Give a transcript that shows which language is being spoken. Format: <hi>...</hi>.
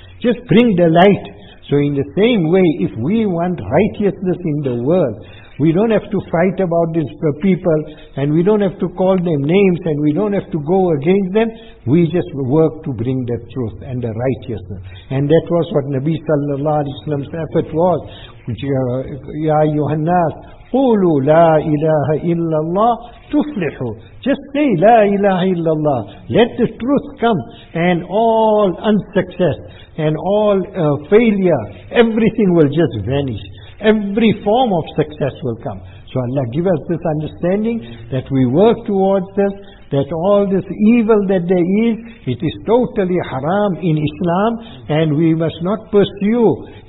<en>Just bring the light. So in the same way, if we want righteousness in the world, we don't have to fight about these people, and we don't have to call them names, and we don't have to go against them. We just work to bring the truth and the righteousness. And that was what Nabi sallallahu alayhi wa sallam's effort was.</en> <ar>Ya Yuhannas, قولوا لا إله إلا الله تفلحوا.</ar> <en>Just say</en> <ar>لا إله إلا الله.</ar> <en>Let the truth come, and all unsuccess and all failure, everything will just vanish. Every form of success will come. So Allah give us this understanding that we work towards this, that all this evil that there is, it is totally haram in Islam, and we must not pursue.</en>